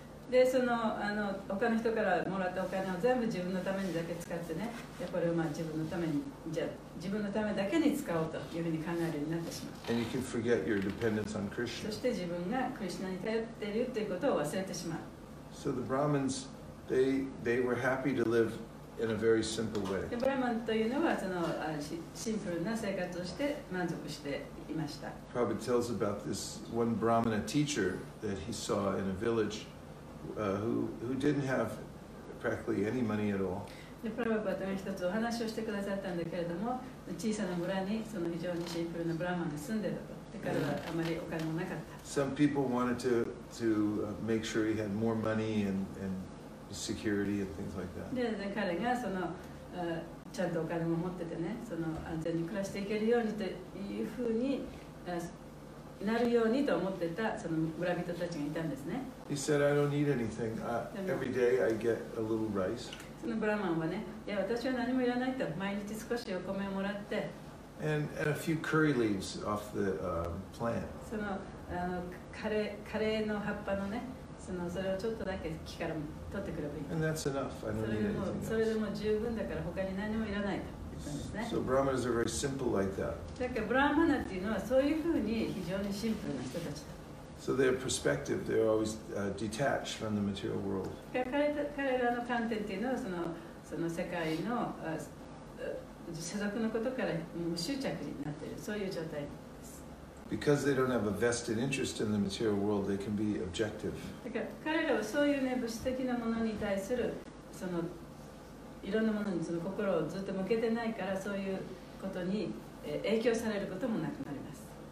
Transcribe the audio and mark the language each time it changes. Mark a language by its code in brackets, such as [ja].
[ja] で、あの他の人からもらったお金を全部自分のためにだけ使ってね、でこれをまあ自分のためにじゃ自分のためだけに使おうというふうに考えるようになってしまう。 [en] And you can forget your dependence on Krishna. [ja] そして自分がクリシナに頼っているということを忘れてしまう。 [en] So the Brahmins they were happy to live in a very simple way. [ja] ブラーマンというのはそのシンプルな生活をして満足していました。 [en] Prabhupada tells about this one Brahmana teacher that he saw in a village who didn't have practically any money at all. [ja] プラヴァパートが一つお話をしてくださったんだけれども、小さな村にその非常にシンプルなブラーマンが住んでいたと。だからあまりお金もなかった。 [en] Some people wanted to make sure he had more money and security and things like that. [ja] で彼がそのちゃんとお金も持っててね、その安全に暮らしていけるようにというふうになるようにと思ってたその村人たちがいたんですね。 [en] He said, I don't need anything. Every day I get a little rice. [ja] のブラマンはね、いや私は何もいらないと毎日少しお米をもらって、 [en] and a few curry leaves off the plant。 [ja] そのカレーの葉っぱのね、それをちょっとだけ木から取ってくればいい。 [en] And that's enough. I don't need anything else. [ja] それでも十分だから他に何もいらないと言ったんですね。 [en] So Brahmanas are very simple like that。 [ja] だからブラマナっていうのはそういうふうに非常にシンプルな人たちだ。 [en] So their perspective, they're always detached from the material world. [ja] 彼らの観点っていうのはその世界の世俗のことから無執着になっている、そういう状態です。 [en] Because they don't have a vested interest in the material world, they can be objective. [ja] だから彼らはそういうね、物質的なものに対するそのいろんなものにその心をずっと向けてないから、そういうことに影響されることもなくなります。